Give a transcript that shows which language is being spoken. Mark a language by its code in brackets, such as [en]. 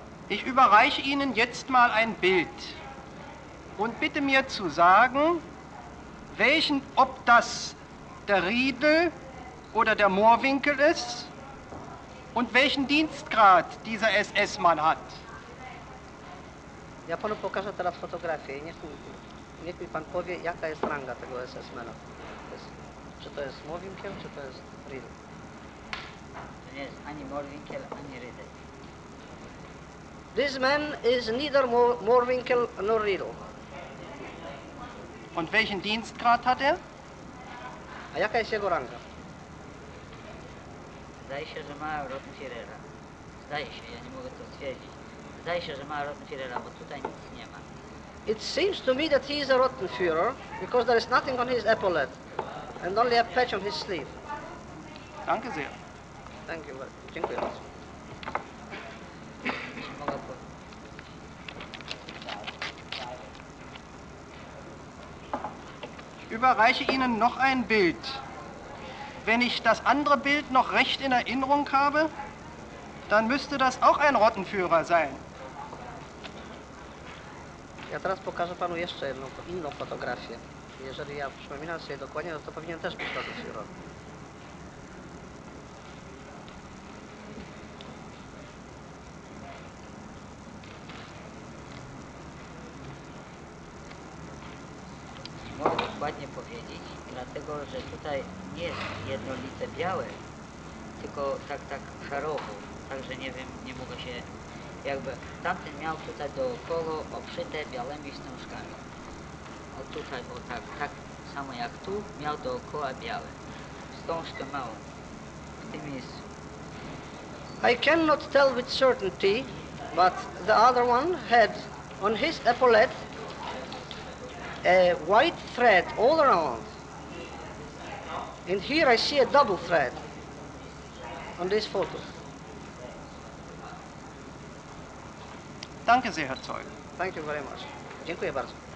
[de] Ich überreiche Ihnen jetzt mal ein Bild und bitte mir zu sagen, welchen, ob das der Riedel oder der Moorwinkel ist und welchen Dienstgrad dieser SS-Mann hat. [pl] Ja, panu pokażę teraz fotografię. Niech mi pan powie, jaka jest ranga tego SS-mana. Czy to jest Moorwinkel, czy to jest Riedel? To nie jest ani Moorwinkel, ani Riedel. [en] This man is neither Moorwinkel nor Riedel. [de] Und welchen Dienstgrad hat er? [pl] A jaka jest jego ranga? Zdaje się, że ma Rottenführera. Zdaje się, ja nie mogę to stwierdzić. Zdaje się, że ma Rottenführera, bo tutaj nic nie ma. [en] It seems to me that he is a Rottenführer, because there is nothing on his epaulet, and only a patch on his sleeve. [de] Danke sehr. [en] Thank you. [pl] Dziękuję bardzo. [de] Überreiche Ihnen noch ein Bild. Wenn ich das andere Bild noch recht in Erinnerung habe, dann müsste das auch ein Rottenführer sein. [pl] Ja teraz pokażę panu jeszcze jedną, inną fotografię. Jeżeli ja przypominam sobie dokładnie, no to powinien też być to surowy. Mogę dokładnie powiedzieć, dlatego że tutaj nie jest jednolite białe, tylko tak szarowo. Także nie wiem, nie mogę się jakby... Tamten miał tutaj dookoła obszyte białymi wstążkami. O tutaj, bo tak samo jak tu, miał dookoła białe. Wstążkę małą w tym miejscu. [en] I cannot tell with certainty, but the other one had on his epaulette a white thread all around. And here I see a double thread on this photo. [de] Danke sehr, Herr Zeuge. [en] Thank you very much. [pl] Dziękuję bardzo.